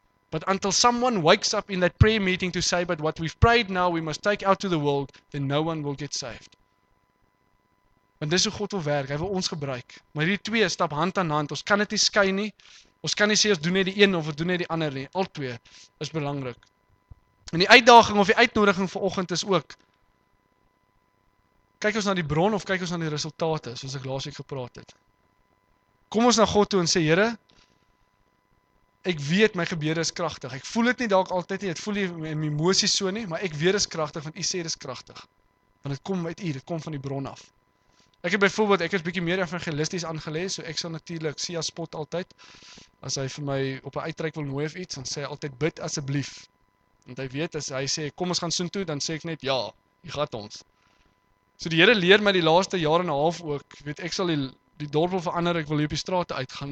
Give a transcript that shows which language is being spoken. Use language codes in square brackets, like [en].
[en] But until someone wakes up in that prayer meeting to say, but what we've prayed now we must take out to the world, then no one will get saved. [af] Want dis hoe God wil werk, hy wil ons gebruik. Maar hierdie twee stap hand aan hand, ons kan dit nie skei nie. Ons kan nie sê ons doen net die een of ons doen net die ander nie. Al twee is belangrik. En die uitdaging of die uitnodiging vir oggend is ook, kyk ons na die bron of kyk ons na die resultate, soos ek laasweek gepraat het. Kom ons na God toe en sê, Here, ek weet my gebede is kragtig. Ek voel dit nie dalk altyd nie, ek voel die emosies so nie, maar ek weet dit is kragtig, want u sê dit is kragtig. Want dit kom uit u, dit kom van die bron af. Ek het byvoorbeeld, ek is bietjie meer evangelisties aangelê, so ek sal natuurlik Sia spot altyd. As hy vir my op 'n uitreik wil nooi of iets, dan sê hy altyd, bid asseblief. Want hy weet, as hy sê, kom ons gaan soen toe, dan sê ek net, ja, jy gaat ons. So die Here leer my die laaste jaar en 'n half ook, weet ek sal die dorp wil verander, ek wil hier op die straat uitgaan.